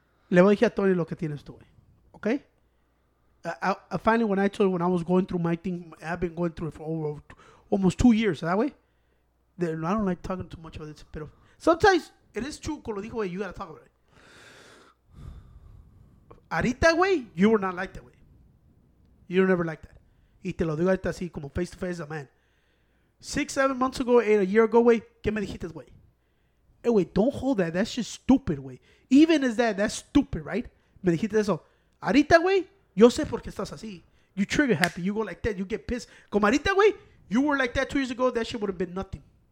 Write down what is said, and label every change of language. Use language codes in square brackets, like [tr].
[es] Le voy a decir a Tony lo que tienes tú, okay? [en] I finally, when I told you when I was going through my thing, I've been going through it for almost 2 years. That way, I don't like talking too much about this. But sometimes it is true. [es] Como dijo, [en] you gotta talk about it. [es] Ahorita, güey, [en] you were not like that way. You were never like that. [es] Y te lo digo ahorita así, como [en] face to face, man. 6-7 months ago, 8 a year ago, [es] güey, ¿qué me dijiste, güey? [en] Hey, güey, don't hold that. That's just stupid, güey. Even as that's stupid, right? [es] Me dijiste eso. Ahorita, güey, yo sé por qué estás así. [en] You trigger happy. You go like that. You get pissed. [es] Como ahorita, güey, [en] you were like that 2 years ago, that shit would have been nothing.